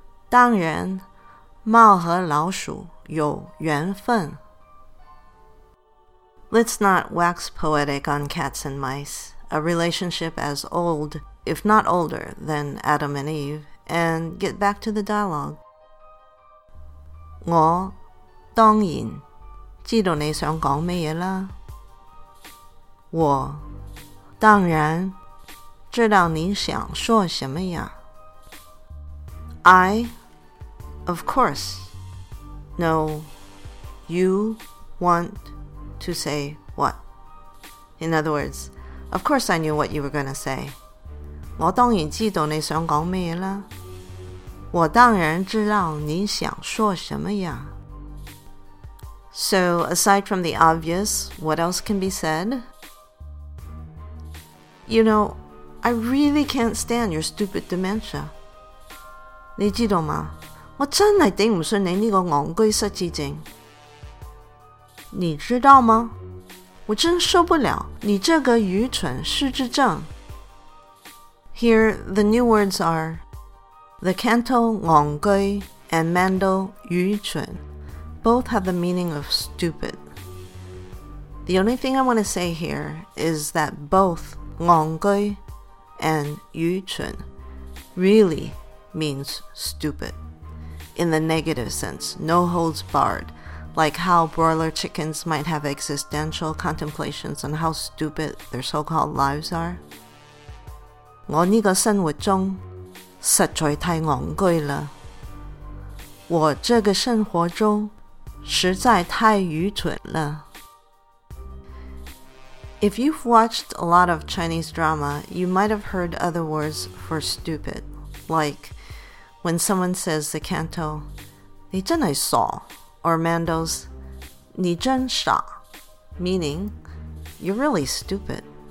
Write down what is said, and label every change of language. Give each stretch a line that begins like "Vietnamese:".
Chinese: 当然,猫和老鼠有缘分。
English: Let's not wax poetic on cats and mice, a relationship as old, if not older, than Adam and Eve. And get back to the dialogue.
Chinese: 我当然知道你想讲什么啦。我当然知道你想说什么呀。
English: I, of course, know you want to say what. In other words, of course I knew what you were going to say.
Chinese: 我当然知道你想讲什么啦。我当然知道你想说什么呀。
English: So, aside from the obvious, what else can be said? You know, I really can't stand your stupid dementia.
Chinese: 你知道吗? 我真的顶不顺你这个戆居失智症。你知道吗? 我真受不了你这个愚蠢失智症。
English: Here, the new words are... The Canto 戆居 and Mando 愚蠢 both have the meaning of stupid. The only thing I want to say here is that both 戆居 and 愚蠢 really means stupid. In the negative sense, no holds barred, like how broiler chickens might have existential contemplations on how stupid their so-called lives are.
Chinese: 我这个生活中实在太戆居了。我这个生活中实在太愚蠢了。
English: If you've watched a lot of Chinese drama, you might have heard other words for stupid, like when someone says the Canto,
Chinese: 你真是傻,
English: or Mando's,
Chinese: 你真傻,
English: meaning, you're really stupid.